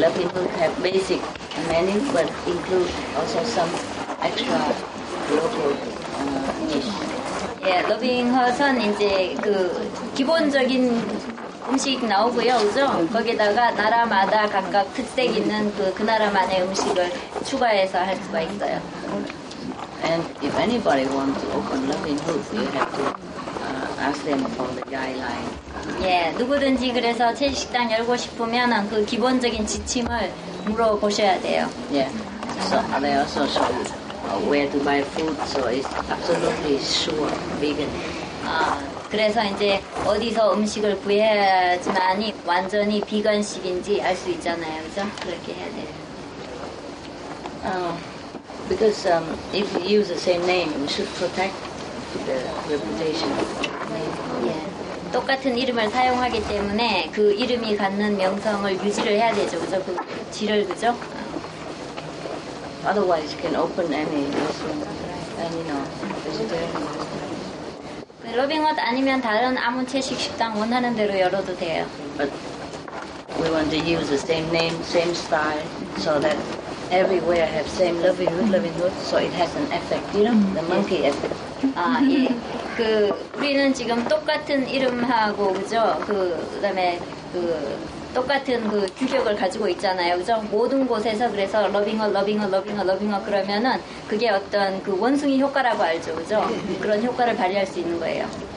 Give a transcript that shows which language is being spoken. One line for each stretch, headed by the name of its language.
English: Loving hood have basic menu, but include also some extra local dish.
Korean: Yeah, loving hood은 이제 그 기본적인 음식 나오고요, 그죠? 거기다가 나라마다 각각 특색 있는 그 나라만의 음식을 추가해서 할 수가 있어요.
English: And if anybody wants to open Loving Hood, you have to ask them for the guideline.
Korean: 예, 누구든지 그래서 채식당 열고 싶으면 그 기본적인 지침을 물어보셔야 돼요. 예, yeah.
English: So are they also show where to buy food, so it's absolutely sure vegan.
Korean: 그래서 이제 어디서 음식을 구해야지만이 완전히 비건식인지 알 수 있잖아요, 그죠? 그렇게 해야 돼요.
English: Because if you use the same name, you should protect the reputation. Yeah.
Korean: 똑같은 이름을 사용하기 때문에 그 이름이 갖는 명성을 유지를 해야 되죠, 그죠? 그 질을, 그죠?
English: Otherwise, you can open any restaurant, any vegetarian restaurant.
Korean: 러빙헛 아니면 다른 아무 채식 식당 원하는 대로 열어도 돼요.
English: But we want to use the same name, same style, so that everywhere have same Loving Hood, so it has an effect, you know, the monkey effect.
Korean: 아, 예. 그 우리는 지금 똑같은 이름하고, 그죠? 그다음에 그 똑같은 그 규격을 가지고 있잖아요, 그죠? 모든 곳에서 그래서 러빙헛 그러면은 그게 어떤 그 원숭이 효과라고 알죠, 그죠? 그런 효과를 발휘할 수 있는 거예요.